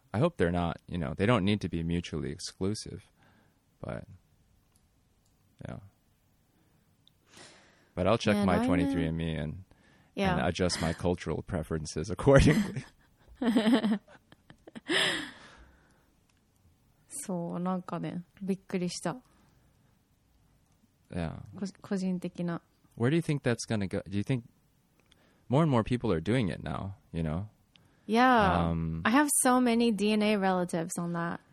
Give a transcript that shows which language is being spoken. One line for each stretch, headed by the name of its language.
English: I hope they're not, you know, they don't need to be mutually exclusive, but yeah. But I'll check my 23andMe and adjust my cultural preferences accordingly.
Japanese: So, なんかね、びっくりした。
English: Yeah.
Japanese: 個人的な。
English: Where do you think that's going to go? Do you think more and more people are doing it now, you know? Yeah. I have so many DNA relatives on that.